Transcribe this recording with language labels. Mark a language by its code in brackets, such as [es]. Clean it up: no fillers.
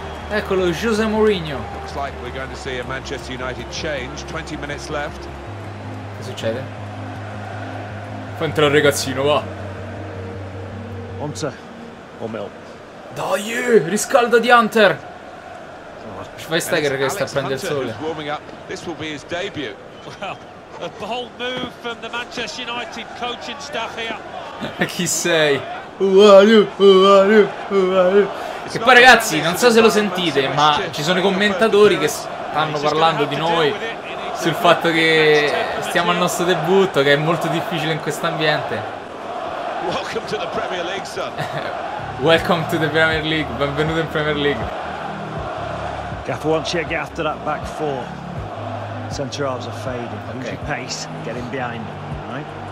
[it] Eccolo, José Mourinho. Che succede? Fa entrare il ragazzino, va. Hunter o Mel? Dai, riscaldati, Hunter! Fai stai che sta a prendere il sole. [en] This will be his debut. Well, a bold move from the Manchester United coaching staff here. [it] Chi sei? E poi ragazzi, non so se lo sentite, ma ci sono i commentatori che stanno parlando di noi sul fatto che stiamo al nostro debutto, che è molto difficile in questo ambiente. [en] Welcome to the Premier League, son. Welcome to the Premier League. [it] Benvenuto in Premier League. [en] Gaffer wants you to get after that back four. Centre halves are fading. Okay. Use your pace, get in behind, right?